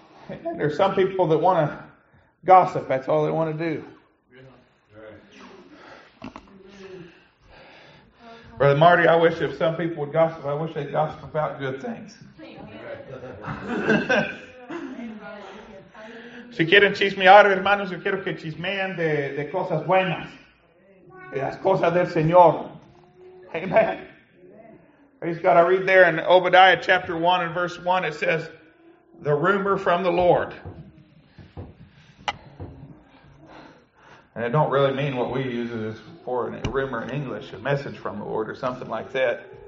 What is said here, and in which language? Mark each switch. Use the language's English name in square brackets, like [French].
[English] And there's some people that want to gossip. That's all they want to do. Brother Marty, I wish if some people would gossip, I wish they'd gossip about good things. [Spanish] Si quieren chismear, hermanos, yo quiero que chismeen de cosas buenas. Las cosas del Señor. Amen. [English] I just got to read there in Obadiah chapter 1 and verse 1. It says, the rumor from the Lord. And it don't really mean what we use it for, a rumor in English, a message from the Lord or something like that.